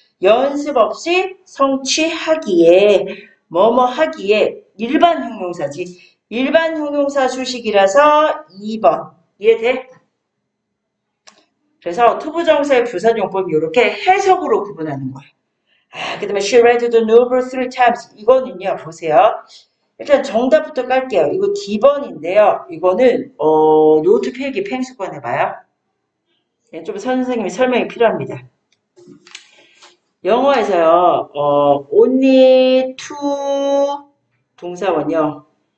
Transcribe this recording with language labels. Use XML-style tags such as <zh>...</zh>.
<ko>연습 없이 성취하기에. 뭐뭐 하기에? 일반 형용사지. 일반 형용사 수식이라서 2번. 이해돼? 그래서 투부정사의 부사용법 이렇게 해석으로 구분하는 거예요.</ko> <en>아, 그다음에 she read the novel three times.</en> <ko>이거는요, 보세요. 일단 정답부터 깔게요. 이거 D번인데요. 이거는 노트 필기 펭수권 해봐요. 네, 좀 선생님이 설명이 필요합니다. 영어에서요, only to 동사원요.</ko>